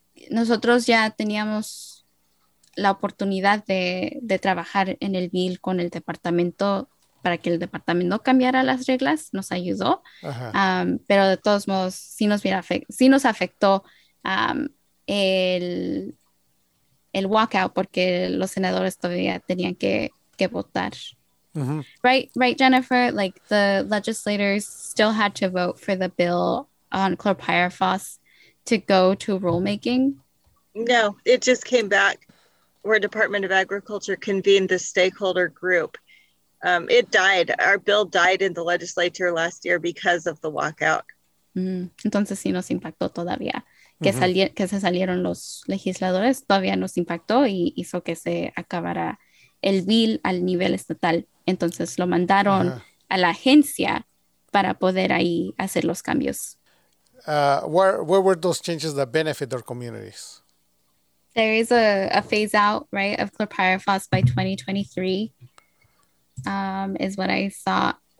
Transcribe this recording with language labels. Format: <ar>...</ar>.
<es>Nosotros ya teníamos la oportunidad de trabajar en el bill con el departamento para que el departamento cambiara las reglas, nos ayudó. Pero de todos modos, sí nos afectó el walkout porque los senadores todavía tenían que votar. Uh-huh.</es> <en>Right, Jennifer, like the legislators still had to vote for the bill on chlorpyrifos to go to rulemaking? No, it just came back where Department of Agriculture convened the stakeholder group. It died. Our bill died in the legislature last year because of the walkout.</en> <es>Mm-hmm. Entonces sí nos impactó todavía. Que se salieron los legisladores, todavía nos impactó y hizo que se acabara el bill al nivel estatal. Entonces lo mandaron a la agencia para poder ahí hacer los cambios.</es> <en>Where were those changes that benefit our communities? There is a phase out, right, of chlorpyrifos by 2023 is what I saw.</en>